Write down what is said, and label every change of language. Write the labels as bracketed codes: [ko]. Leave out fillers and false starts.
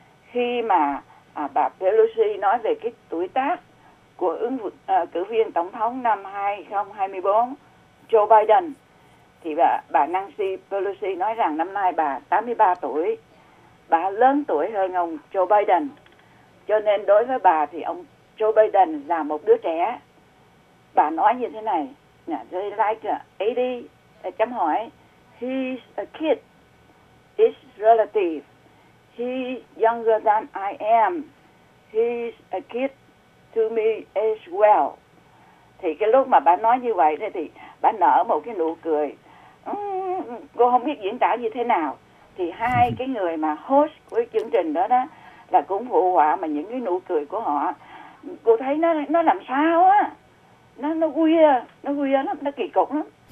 [vi] khi mà bà Pelosi nói về cái tuổi tác của cử viên tổng thống năm 2024 Joe Biden, thì bà Nancy Pelosi nói rằng năm nay bà 83 tuổi, bà lớn tuổi hơn ông Joe Biden, cho nên đối với bà thì ông Joe Biden là một đứa trẻ. Bà nói như thế này, [en] they like 80, [vi] chấm hỏi, [en] he's a kid, it's relative, he's younger than I am, he's a kid to me as well. [vi] Thì cái lúc mà bà nói như vậy thì bà nở một cái nụ cười, cô không biết diễn tả như thế nào. Thì hai cái người mà host của chương trình đó là cũng phụ họa, mà những cái nụ cười của họ, cô thấy nó làm sao á, nó weird lắm, nó kỳ cục lắm.